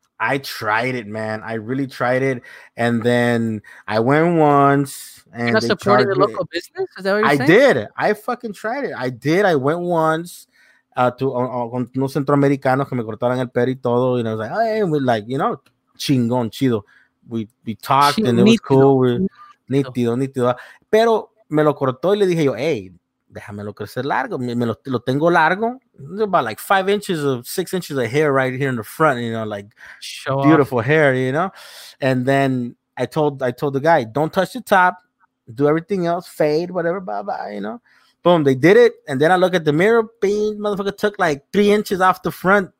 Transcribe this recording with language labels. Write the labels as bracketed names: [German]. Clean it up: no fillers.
[English] I tried it, man. I really tried it. And then I went once. And you're not supporting the local business? Is that what you're saying? I did. I fucking tried it. I did. I went once to [Spanish] unos centroamericanos que me cortaron el pelo y todo. [English] And I was like, hey, we're like, you know, [Spanish] chingón, chido. [English] We talked and it was cool. [Spanish] Nítido. Pero me lo cortó y le dije yo, hey, déjamelo crecer largo. Me lo tengo largo. [English] About like 5 inches of 6 inches of hair right here in the front, you know, like show beautiful off. Hair, you know. And then I told the guy, don't touch the top, do everything else, fade, whatever, blah blah, you know. Boom, they did it. And then I look at the mirror, bing, motherfucker took like 3 inches off the front.